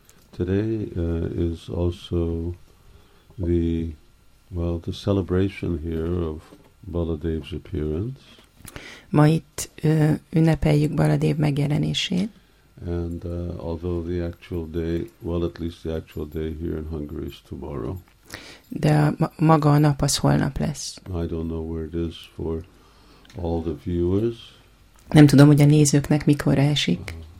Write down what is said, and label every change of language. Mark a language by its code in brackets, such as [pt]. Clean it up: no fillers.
[en] Today is also the celebration here of Baladev's appearance. [hu] Ma itt ünnepeljük Baladev megjelenését. [en] And although the actual day, well, at least the actual day here in Hungary is tomorrow. [hu] De maga a nap az holnap lesz. [en] I don't know where it is for all the viewers. [hu] Nem tudom, hogy a nézőknek mikor esik.